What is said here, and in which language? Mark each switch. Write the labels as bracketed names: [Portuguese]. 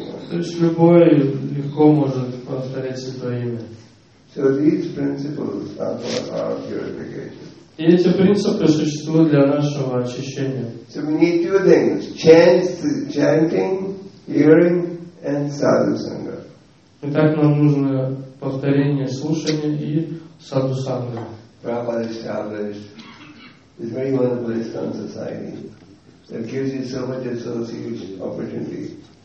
[Russian] То есть любой легко может повторять святое имя. [English] So these principles are for our purification. [Russian] И эти принципы существуют для нашего очищения. [English] So we need two things: chanting, hearing, and sadhusanga. [Russian] Итак, нам нужно повторение, слушание и садхусанга. [English] Prabhupada established this very wonderful Islam society that gives you so much association opportunity.